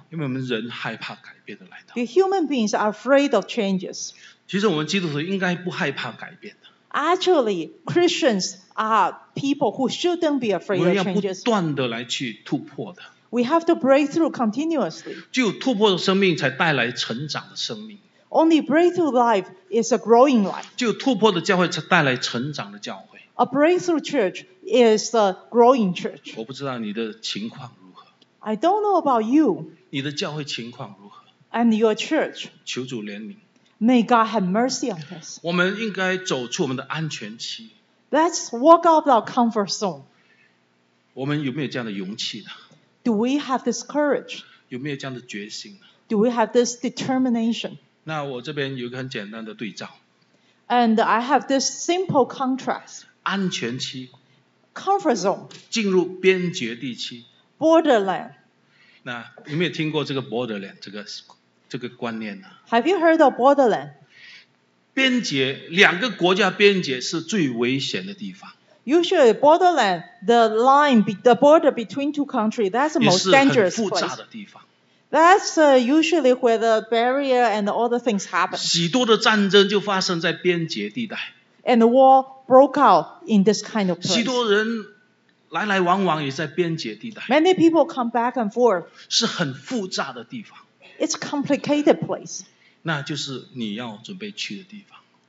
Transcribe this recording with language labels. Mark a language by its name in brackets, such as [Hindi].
[Chinese] 因为我们人害怕改变的来到。 [English] The human beings are afraid of changes. [Chinese] 其实我们基督徒应该不害怕改变的。 [English] Actually, Christians are people who shouldn't be afraid of changes. [Chinese] 我们要不断地来去突破的。 [English] We have to break through continuously. [Chinese] 只有突破的生命才带来成长的生命。 [English] Only breakthrough life is a growing life. [Chinese] 只有突破的教会才带来成长的教会。 [English] A breakthrough church is a growing church. [Chinese] 我不知道你的情况如何。 [English] I don't know about you. [Chinese] 你的教会情况如何 [English] ？And your church. [Chinese] 求主怜悯。 [English] May God have mercy on us. [Chinese] 我们应该走出我们的安全期。 [English] Let's walk out of our comfort zone. [Chinese] 我们有没有这样的勇气呢 [English] ？Do we have this courage? [Chinese] 有没有这样的决心呢 [English] ？Do we have this determination? [Chinese] 那我这边有一个很简单的对照。 [English] And I have this simple contrast. [Chinese] 安全期 [English] ，comfort zone， [Chinese] 进入边界地区 [English] ，borderland。 [Chinese] 那有没有听过这个 borderland 这个观念呢 [English] ？Have you heard of borderland？ [Chinese] 边界，两个国家边界是最危险的地方。 [English] Usually borderland, the line, the border between two countries, that's the most dangerous place. [Chinese] 也是很复杂的地方。 [English] That's usually where the barrier and all the things happen. [Chinese] 许多的战争就发生在边界地带。 [English] And the war broke out in this kind of place. [Chinese] 许多人来来往往也在边界地带。 [English] Many people come back and forth. [Chinese] 是很复杂的地方。 [English] It's a complicated place. [Chinese] 那就是你要准备去的地方。